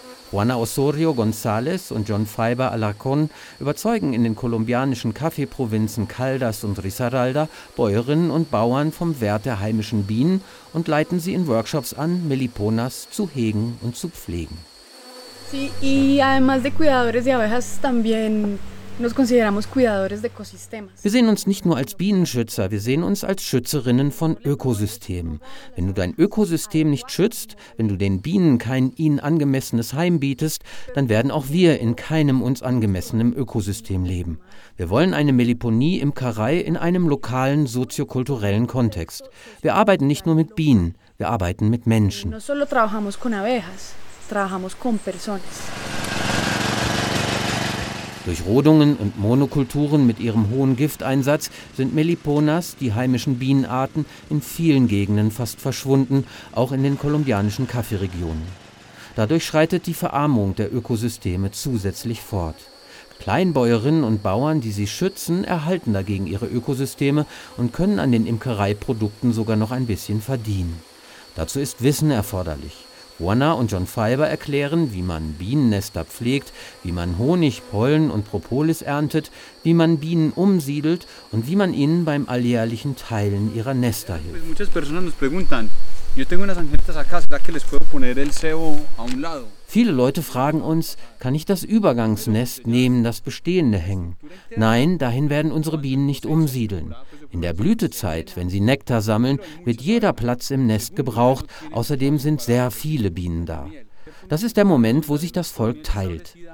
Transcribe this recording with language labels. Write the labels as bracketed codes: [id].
[de] Juana Osorio González und John Faiba Alarcón überzeugen in den kolumbianischen Kaffeeprovinzen Caldas und Risaralda Bäuerinnen und Bauern vom Wert der heimischen Bienen und leiten sie in Workshops an, Meliponas zu hegen und zu pflegen. [es] Sí, y además de cuidadores de abejas también. Nos consideramos cuidadores de ecosistemas. [de] Wir sehen uns nicht nur als Bienenschützer, wir sehen uns als Schützerinnen von Ökosystemen. Wenn du dein Ökosystem nicht schützt, wenn du den Bienen kein ihnen angemessenes Heim bietest, dann werden auch wir in keinem uns angemessenen Ökosystem leben. Wir wollen eine Meliponie-Imkerei in einem lokalen soziokulturellen Kontext. Wir arbeiten nicht nur mit Bienen, wir arbeiten mit Menschen. [es] No solo trabajamos con abejas, trabajamos con personas. [de] Durch Rodungen und Monokulturen mit ihrem hohen Gifteinsatz sind Meliponas, die heimischen Bienenarten, in vielen Gegenden fast verschwunden, auch in den kolumbianischen Kaffeeregionen. Dadurch schreitet die Verarmung der Ökosysteme zusätzlich fort. Kleinbäuerinnen und Bauern, die sie schützen, erhalten dagegen ihre Ökosysteme und können an den Imkereiprodukten sogar noch ein bisschen verdienen. Dazu ist Wissen erforderlich. Juana und John Faiba erklären, wie man Bienennester pflegt, wie man Honig, Pollen und Propolis erntet, wie man Bienen umsiedelt und wie man ihnen beim alljährlichen Teilen ihrer Nester hilft. [es] Muchas personas nos preguntan, yo tengo unas angelitas acá, ¿será que les puedo poner el cebo a un lado? [de] Viele Leute fragen uns, kann ich das Übergangsnest nehmen, das bestehende hängen? Nein, dahin werden unsere Bienen nicht umsiedeln. In der Blütezeit, wenn sie Nektar sammeln, wird jeder Platz im Nest gebraucht. Außerdem sind sehr viele Bienen da. Das ist der Moment, wo sich das Volk teilt.